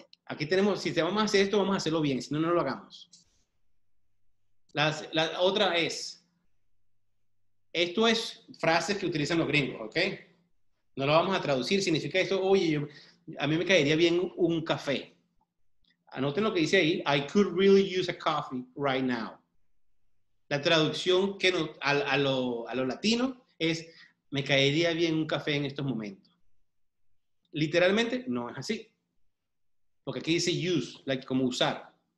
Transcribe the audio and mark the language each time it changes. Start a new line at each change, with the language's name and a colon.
Spanish: Aquí tenemos, si te vamos a hacer esto, vamos a hacerlo bien. Si no, no lo hagamos. La otra es, esto es frases que utilizan los gringos, ¿ok? No lo vamos a traducir, significa esto, oye, a mí me caería bien un café. Anoten lo que dice ahí,
English: I could really use a coffee right now.
Spanish: La traducción que no, a lo latino es, me caería bien un café en estos momentos. Literalmente, no es así. Porque aquí dice use, like, como usar.